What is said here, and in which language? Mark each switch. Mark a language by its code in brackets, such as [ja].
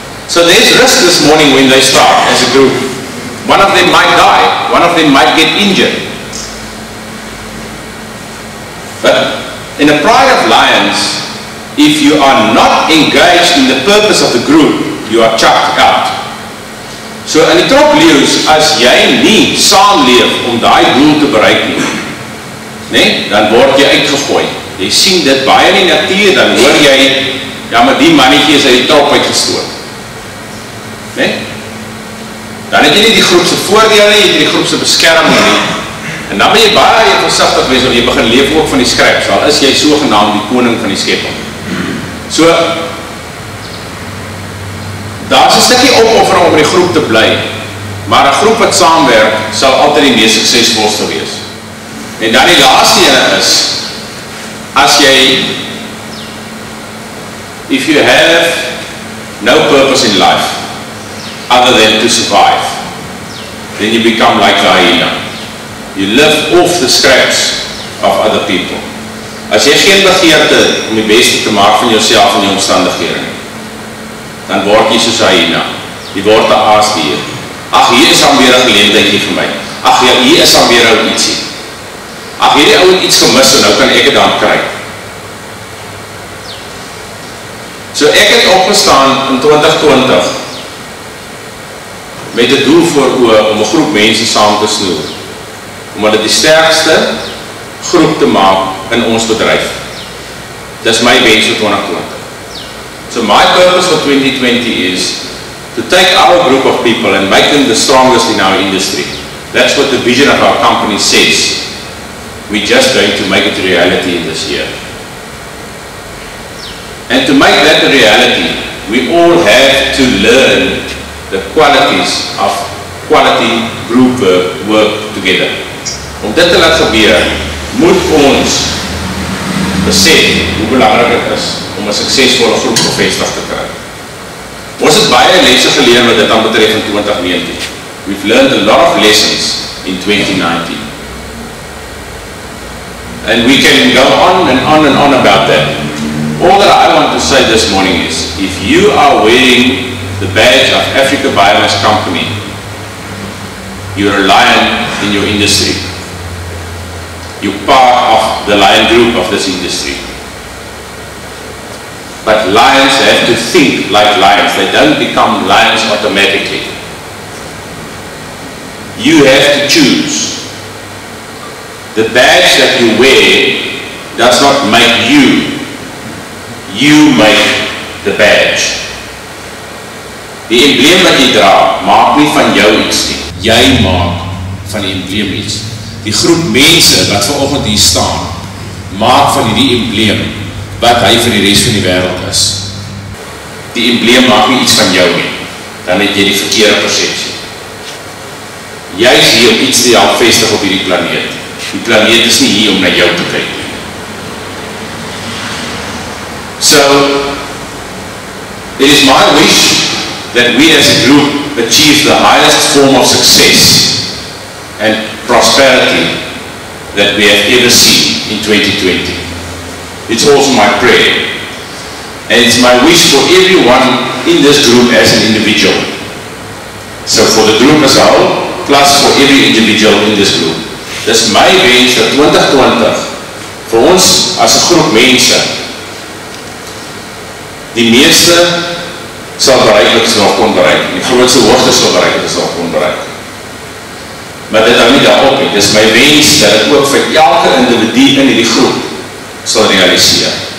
[en] So there's risk this morning when they start as a group. One of them might die, one of them might get injured. But in a pride of lions, if you are not engaged in the purpose of the group, you are chucked out. [af] So in die trop leeu's, as jy nie saamleef om daai doel te bereik nie, nee, dan word jy uitgegooi. Jy sien dit baie in die natuur, dan hoor jy, ja maar die mannetjie is uit die trop uitgestoot. Nee? Dan het jy nie die groepse voordele, jy het die groepse beskerming nie. En dan ben jy baie versigtig wees, want jy begin leef ook van die skryps, al is jy sogenaamd die koning van die skepping. So, daar is 'n stukkie opoffering om in die groep te bly, maar 'n groep wat saamwerk, sal altyd die mees suksesvolste wees. En dan die laaste ene is, as jy, [en] if you have no purpose in life, other than to survive, then you become like the hyena. You live off the scraps of other people. [af] As jy geen begeerte om die beste te maak van jouself en jou omstandighede nie, dan word jy soos hyena. Jy word 'n aasdier. Ag, hier is dan weer 'n geleentheid hier vir my. Ag, hier is dan weer ou ietsie. Ag, hierdie ou het iets gemis en nou kan ek dit dan kry. So ek het opgestaan in 2020 met 'n doel voor oë om 'n groep mense saam te snoer om hulle die sterkste groep te maak in ons bedryf. Dis my wens vir 2020. [en] So my purpose for 2020 is to take our group of people and make them the strongest in our industry. That's what the vision of our company says. We're just going to make it a reality in this year. And to make that a reality, we all have to learn the qualities of quality group work together. [af] Om dit te laat gebeur, moet ons besef hoe belangrik dit is om 'n suksesvolle groep gevestig te kry. Ons het baie lesse geleer wat dit aan betref in 2019. [en] We've learned a lot of lessons in 2019. And we can go on and on and on about that. All that I want to say this morning is, if you are wearing the badge of Africa Biomass Company, you're a lion in your industry. You're part of the lion group of this industry. But lions have to think like lions. They don't become lions automatically. You have to choose. The badge that you wear does not make you. You make the badge. [af] Die embleem wat jy dra, maak nie van jou iets nie. Jy maak van die embleem iets. Die groep mense wat vanoggend hier staan, maak van die embleem wat hy vir die res van die wêreld is. Die embleem maak nie iets van jou nie. Dan het jy die verkeerde persepsie. Jy is hier om iets te help vestig op hierdie planeet. Die planeet is nie hier om na jou te kyk. [en] So, it is my wish that we as a group achieve the highest form of success and prosperity that we have ever seen in 2020. It's also my prayer. And it's my wish for everyone in this group as an individual. So for the group as a whole, plus for every individual in this group. [af] Dis my wens dat 2020 vir ons as 'n groep mense die meeste sal bereik wat ons nog kon bereik, die grootste hoogte sal bereik wat ons nog kon bereik. Maar dit hou nie daarop nie. Dis my wens dat dit ook vir elke individu in hierdie groep sal realiseer.